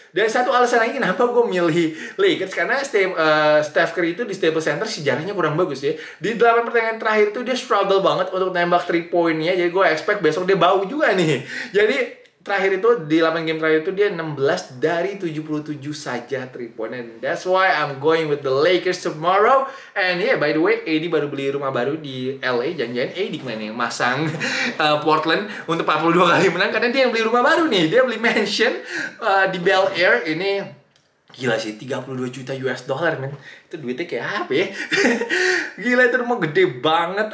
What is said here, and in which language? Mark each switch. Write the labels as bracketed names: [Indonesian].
[Indonesian] Dan satu alasan lagi kenapa gue milih Lakers karena Steph Curry itu di Staples Center sejarahnya kurang bagus ya. Di 8 pertandingan terakhir tuh dia struggle banget untuk nembak 3 point-nya. Jadi gue expect besok dia bau juga nih. Jadi terakhir itu di 8 game terakhir itu dia 16 dari 77 saja 3 point-nya. [English] And that's why I'm going with the Lakers tomorrow. And yeah, by the way, [Indonesian] AD baru beli rumah baru di LA. Jangan-jangan AD kemana yang masang Portland untuk 42 kali menang, karena dia yang beli rumah baru nih. Dia beli mansion di Bel Air. Ini gila sih, 32 juta US dollar men. Itu duitnya kayak apa ya? Gila, itu rumah gede banget.